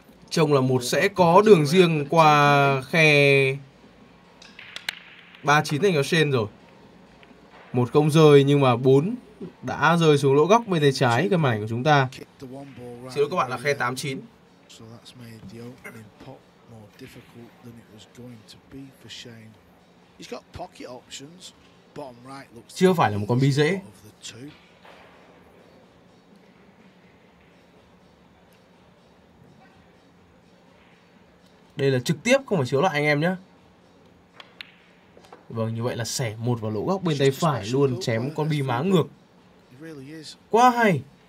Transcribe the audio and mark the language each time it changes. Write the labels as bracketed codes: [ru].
[vi] Trông là 1 sẽ có đường riêng qua khe 39 thành Austin rồi. 1 không rơi nhưng mà 4 đã rơi xuống lỗ góc bên tay trái cái màn ảnh của chúng ta. Xin lỗi các bạn, là khe 89. [en] So that's made the opening pot more difficult than it was going to be for Shane. He's got pocket options. Bottom right looks. [vi] Chưa phải là một con bi dễ. Đây là trực tiếp, không phải chiếu lại anh em nhé. Vâng, như vậy là xẻ một vào lỗ góc bên tay phải luôn, chém con bi má ngược. Quá hay.